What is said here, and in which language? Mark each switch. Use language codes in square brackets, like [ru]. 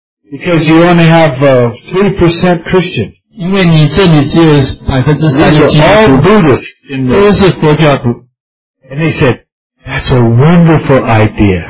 [en] ，because you only have 3% Christian. [zh] 因为你这里只有3%的基督徒 [en] ，all Buddhists in there. [zh] 都是佛教徒。 [en] And they said.That's a wonderful idea.